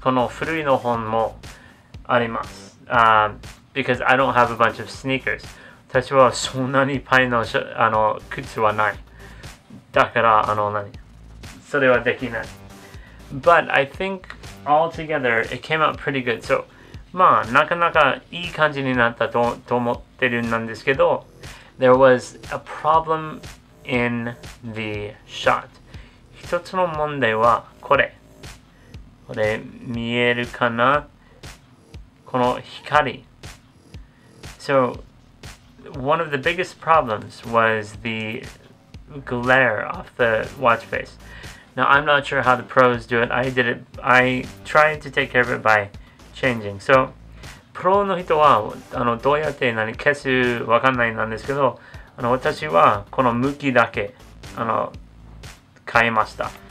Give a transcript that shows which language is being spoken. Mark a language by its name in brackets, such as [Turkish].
[Japanese] この古いの本もあります。 [English] Because I don't have a bunch of sneakers. [Japanese] 私はそんなにいっぱいの靴はない。だから何それはできない。 [English] But I think altogether it came out pretty good. [Japanese] So, まあなかなかいい感じになったと思ってるんですけど、 [English] There was a problem in the shot. [Japanese] 一つの問題はこれ。これ見えるかな? この光。 [English] So, one of the biggest problems was the glare off the watch face. Now, I'm not sure how the pros do it. I did it. I tried to take care of it by changing. [Japanese] So, プロの人はどうやって何消すわかんないなんですけど、私はこの向きだけ変えました。